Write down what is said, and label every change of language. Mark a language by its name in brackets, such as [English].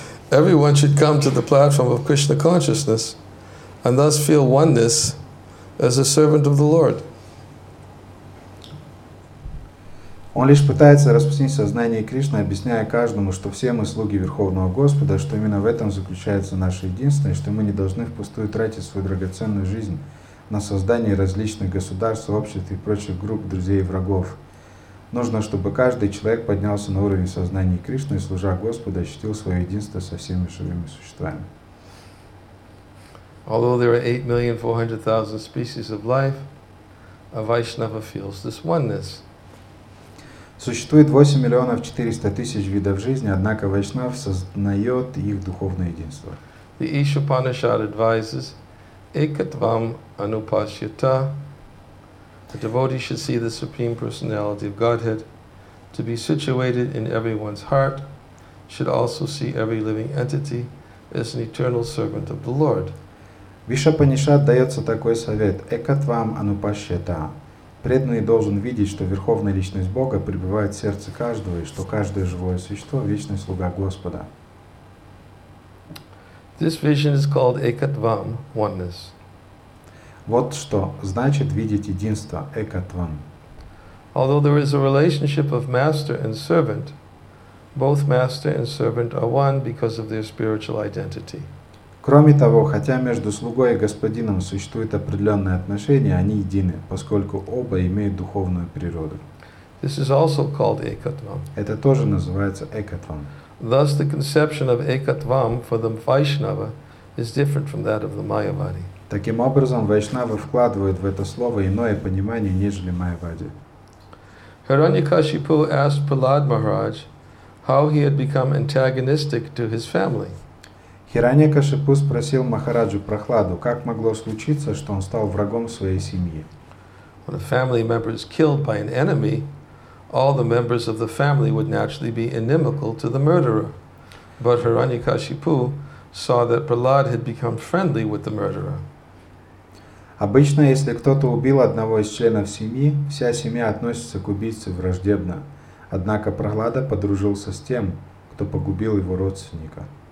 [English] Everyone should come to the platform of Krishna consciousness and thus feel oneness as a servant of the Lord. [Russian] Он лишь пытается распространить сознание Кришны, объясняя каждому, что все мы слуги Верховного Господа, что именно в этом заключается наше единство, и что мы не должны впустую тратить свою драгоценную жизнь на создание различных государств, обществ и прочих групп друзей и врагов. Нужно, чтобы каждый человек поднялся на уровень сознания Кришны и, служа Господу, ощутил свое единство со всеми живыми существами. [English] Although there are 8,400,000 species of life, a Vaishnava feels this oneness. [Russian] Существует 8,400,000 видов жизни, однако Вайшнав сознает их духовное единство. [English] The Isha Upanishad advises [Sanskrit] ekatvam anupashyata. [English] A devotee should see the Supreme Personality of Godhead to be situated in everyone's heart, should also see every living entity as an eternal servant of the Lord. [Russian] Вишапанишад дается такой совет: [Sanskrit] «Экатвам анупашьята». [Russian] Преданный должен видеть, что Верховная Личность Бога пребывает в сердце каждого, и что каждое живое существо — вечный слуга Господа. [English] This vision is called «Экатвам» — «Oneness». [Russian] Вот что значит видеть единство — «Экатвам». [English] Although there is a relationship of master and servant, both master and servant are one because of their spiritual identity. [Russian] Кроме того, хотя между слугой и господином существует определенное отношение, они едины, поскольку оба имеют духовную природу. [English] This is also called ekatvam. [Russian] Это тоже называется экатвам. [English] Thus the conception of ekatvam for the Vaishnava is different from that of the Mayavadi. [Russian] Таким образом, Вайшнава вкладывает в это слово иное понимание, нежели Майявади. [English] Hiranyakashipu asked Prahlad Maharaj how he had become antagonistic to his family. [Russian] Хираньякашипу спросил Махараджу Прахладу, как могло случиться, что он стал врагом своей семьи. [English] When a family member is killed by an enemy, all the members of the family would naturally be inimical to the murderer. But Hiranyakashipu saw that Prahlad had become friendly with the murderer. [Russian] Обычно, если кто-то убил одного из членов семьи, вся семья относится к убийце враждебно. Однако Прахлада подружился с тем, кто погубил его родственника.